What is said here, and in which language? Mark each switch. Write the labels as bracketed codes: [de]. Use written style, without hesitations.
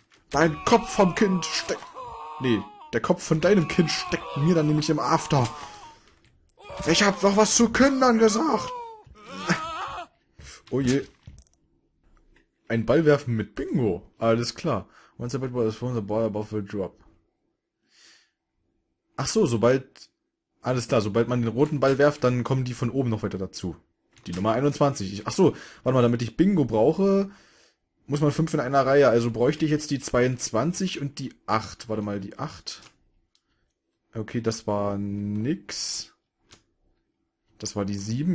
[de] Dein Kopf vom Kind steckt. Nee, der Kopf von deinem Kind steckt mir dann nämlich im After. Ich hab doch was zu Kindern gesagt. Oh je. Ein Ball werfen mit Bingo. Alles klar. [en] Once a bad boy is thrown, the ball above will drop. [de] Ach so, sobald. Alles klar, sobald man den roten Ball werft, dann kommen die von oben noch weiter dazu. Die Nummer 21. Ach so, warte mal, damit ich Bingo brauche, muss man 5 in einer Reihe. Also bräuchte ich jetzt die 22 und die 8. Warte mal, die 8. Okay, das war nix. Das war die 7.